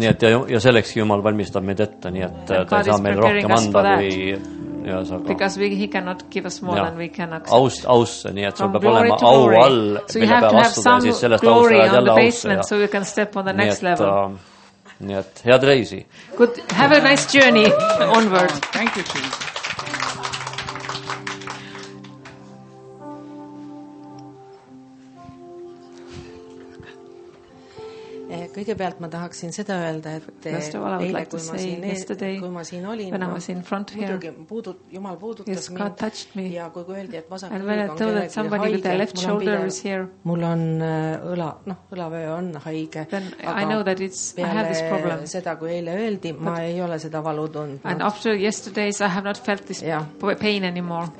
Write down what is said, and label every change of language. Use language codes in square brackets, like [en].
[et] Nii et ja selleks Jumal valmistab meid ette, nii et ta ei saa meil rohkem anda, kui [en] because he cannot give us more than we can accept. [et] Aus, nii et sul peab olema au all, mille peab astuda, siis sellest aus ajad jälle ausse. [en] So you can step on the next level. [et] Nii et head reisi. [en] Good, have a nice journey onward. Thank you, Jesus. [et] Kõigepealt ma tahaksin seda öelda, et kui ma siin olin, [en] when I was in front here, [et] Jumal puudutas mind. [en] God touched me. [et] Ja kui öeldi, et vasak [en] and when I told that somebody [et] haige, [en] with their left shoulder was here, [et] mul on õla, noh, õlavöö on haige. [en] Then I know that it's, I have this problem. [et] Seda kui eile öeldi, ma ei ole seda valu tundnud. [en] And after yesterday's, I have not felt this pain anymore.